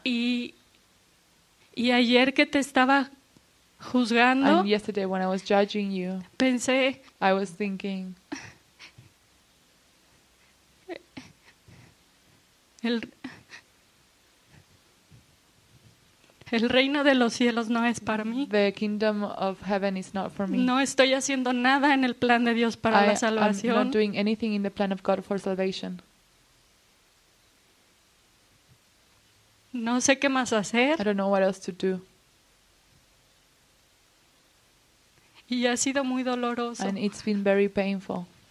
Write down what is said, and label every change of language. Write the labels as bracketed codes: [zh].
[es] Y ayer que te estaba juzgando. [en] And yesterday when I was judging you. [es] Pensé. [en] I was thinking. [es] El reino de los cielos no es para mí. [en] The kingdom of heaven is not for me. [es] No estoy haciendo nada en el plan de Dios para la salvación. [en] I am not doing anything in the plan of God for salvation. [es] No sé qué más hacer. [en] I don't know what else to do. [es] Y ha sido muy doloroso. [en] And it's been very painful.